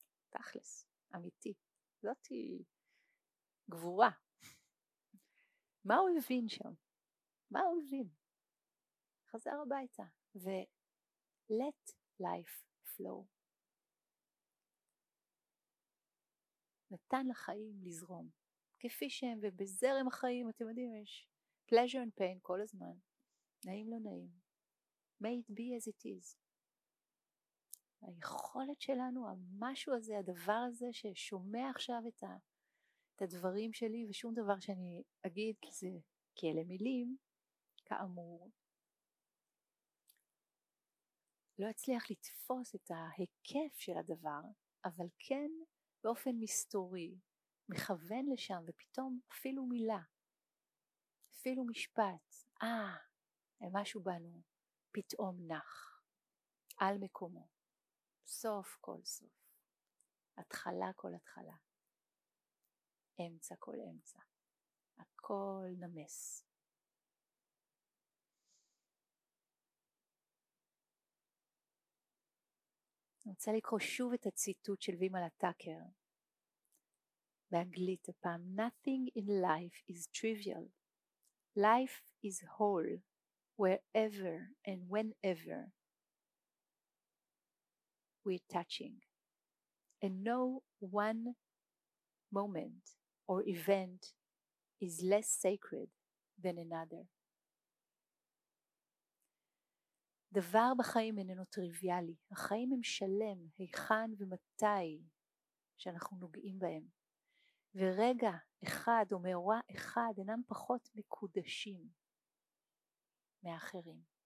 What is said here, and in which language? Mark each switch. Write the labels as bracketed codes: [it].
[he] תכלס, אמיתי. זאת היא גבורה. מה הוא הבין שם? מה הוא הבין? חזר הביתה. [en] ו-let life flow. [he] נתן לחיים לזרום. כפי שהם, ובזרם החיים, אתם יודעים, יש... [en] pleasure and pain [he] כל הזמן, נעים לא נעים, [en] may it be as it is. [he] היכולת שלנו, המשהו הזה, הדבר הזה ששומע עכשיו את הדברים שלי, ושום דבר שאני אגיד כזה, כאלה מילים, כאמור, לא אצליח לתפוס את ההיקף של הדבר, אבל כן באופן מסתורי, מכוון לשם, ופתאום אפילו מילה, אפילו משפט, משהו בנו, פתאום נח, על מקומו, סוף כל סוף, התחלה כל התחלה, אמצע כל אמצע, הכל נמס. אני רוצה לקרוא שוב את הציטוט של וימלה טאקר, באנגלית הפעם, [en] nothing in life is trivial. Life is whole, wherever and whenever we're touching. And no one moment or event is less sacred than another. [he] דבר בחיים איננו טריוויאלי. החיים הם שלם, היכן ומתי שאנחנו נוגעים בהם. ורגע אחד או מאורע אחד אינם פחות מקודשים מאחרים.